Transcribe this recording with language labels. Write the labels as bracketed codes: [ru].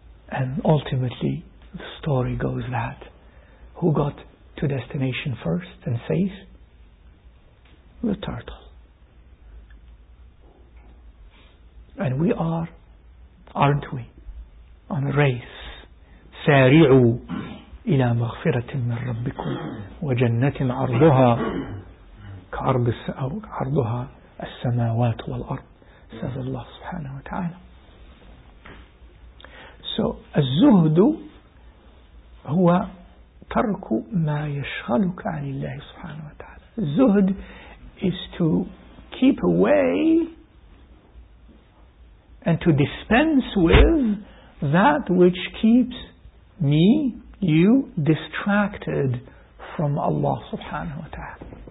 [en] And ultimately, the story goes that who got to destination first and says? The turtle. And we are, aren't we, on a race. [ar] سَارِعُوا إِلَى مَغْفِرَةٍ مِّن رَبِّكُمْ وَجَنَّةٍ عَرْضُهَا كَعَرْضُهَا السَّمَاوَاتُ وَالْأَرْضِ, [en] says Allah subhanahu wa ta'ala. [ar] So, الزهد هو ترك ما يشغلك عن الله سبحانه وتعالى. [en] الزهد is to keep away and to dispense with that which keeps me, you, distracted from Allah سبحانه وتعالى.